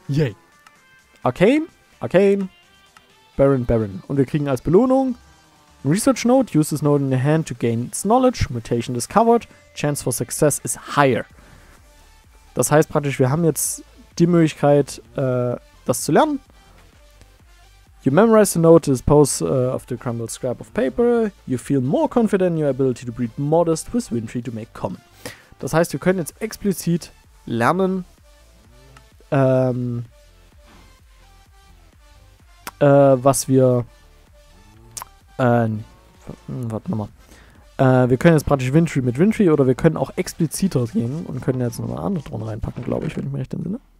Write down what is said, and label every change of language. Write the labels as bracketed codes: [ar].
[en] Yay. Arcane, Arcane, Baron, Baron. [de] Und wir kriegen als Belohnung [en] Research Note, use this note in your hand to gain its knowledge, mutation discovered, chance for success is higher. [de] Das heißt praktisch, wir haben jetzt die Möglichkeit, das zu lernen. [en] You memorize the note, dispose of the crumbled scrap of paper. You feel more confident in your ability to breed modest with Windtree to make common. [de] Das heißt, wir können jetzt explizit lernen, was wir... warte nochmal. Wir können jetzt praktisch Windtree mit Windtree oder wir können auch expliziter gehen und können jetzt nochmal eine andere Drohne reinpacken, glaube ich, wenn ich mir recht entsinne.